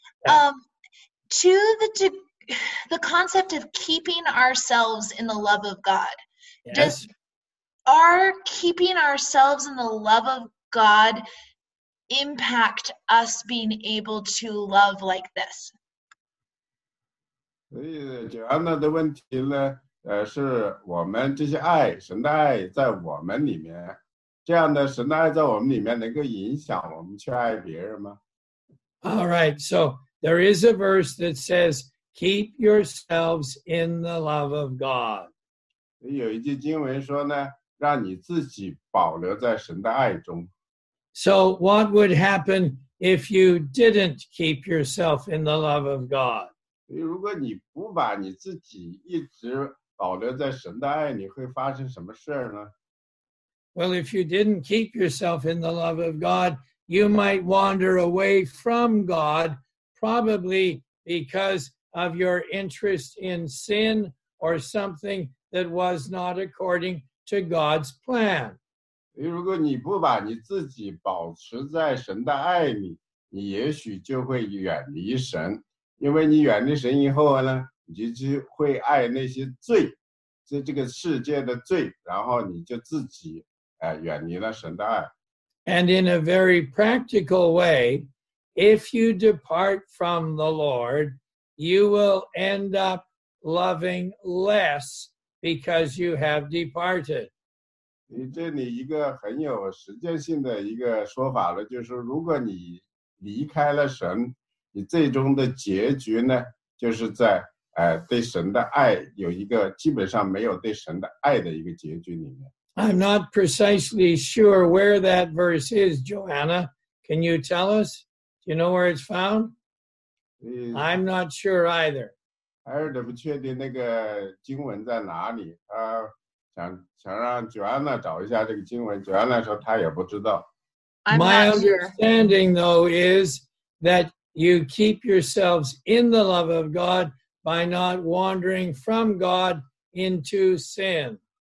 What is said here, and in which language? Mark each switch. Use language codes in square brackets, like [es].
[en] To the concept of keeping ourselves in the love of God, are keeping ourselves in the love of God impact us being able to love like this? [zh] 所以九安娜的问题呢，是我们这些爱，神的爱在我们里面，这样的神的爱在我们里面能够影响我们去爱别人吗？ [en] All right, so there is a verse that says, keep yourselves in the love of God. [zh] 有一句经文说呢，让你自己保留在神的爱中。 [en] So what would happen if you didn't keep yourself in the love of God? [zh] 所以如果你不把你自己一直保留在神的爱，你会发生什么事呢？ [en] Well, if you didn't keep yourself in the love of God, you might wander away from God, probably because of your interest in sin or something that was not according to God's plan. [zh] 所以如果你不把你自己保持在神的爱里，你也许就会远离神。因为你远离神以后呢，你就会爱那些罪，这个世界的罪，然后你就自己远离了神的爱。 [en] And in a very practical way, if you depart from the Lord, you will end up loving less because you have departed. [zh] 这里一个很有实践性的一个说法了，就是如果你离开了神，你最终的结局呢，就是在对神的爱有一个基本上没有对神的爱的一个结局里面。 [en] I'm not precisely sure where that verse is, Joanna. Can you tell us? Do you know where it's found? I'm not sure either. [zh] 还是不确定那个经文在哪里。想让Joanna找一下这个经文, Joanna说她也不知道。 [en] My understanding, though, is that you keep yourselves in the love of God by not wandering from God into sin.